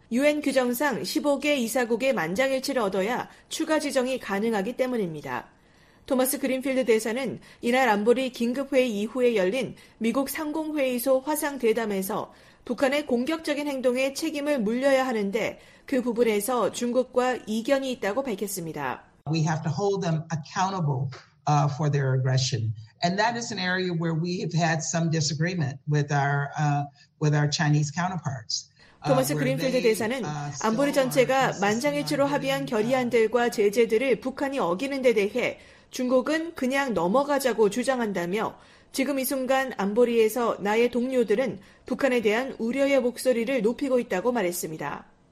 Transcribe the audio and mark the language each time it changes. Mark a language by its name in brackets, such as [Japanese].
[Korean] 유엔 규정상 15개 이사국의 만장일치를 얻어야 추가 지정이 가능하기 때문입니다. 토마스 그린필드 대사는 이날 안보리 긴급회의 이후에 열린 미국 상공회의소 화상대담에서 북한의 공격적인 행동에 책임을 물려야 하는데 그 부분에서 중국과 이견이 있다고 밝혔습니다. [English] We have to hold them accountable for their aggression. And that is an area where we have had some disagreement with our Chinese counterparts. [Korean] 토마스 그린필드 대사는 안보리 전체가 만장일치로 합의한 결의안들과 제재들을 북한이 어기는 데 대해 중국은 그냥 넘어가자고 주장한다며 지금 이 순간 안보리에서 나의 동료들은 북한에 대한 우려의 목소리를 높이고 있다고 말했습니다.